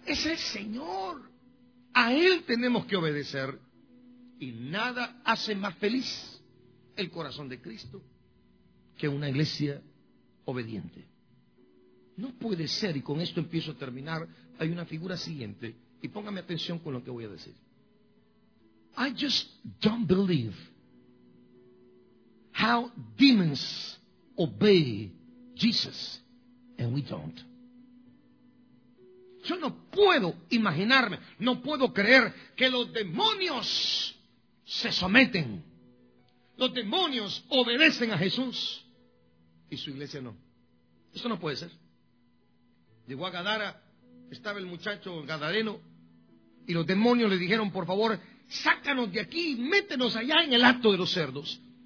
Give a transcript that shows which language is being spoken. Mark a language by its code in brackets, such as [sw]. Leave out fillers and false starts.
[es] Es el Señor. A Él tenemos que obedecer. Y nada hace más feliz el corazón de Cristo que una iglesia obediente. No puede ser, y con esto empiezo a terminar, hay una figura siguiente, y póngame atención con lo que voy a decir. [en] I just don't believe how demons obey Jesus and we don't. [es] Yo no puedo imaginarme, no puedo creer que los demonios se someten. Los demonios obedecen a Jesús y su iglesia no. Eso no puede ser. Llegó a Gadara, estaba el muchacho gadareno y los demonios le dijeron, por favor, sácanos de aquí, métenos allá en el hato de los cerdos.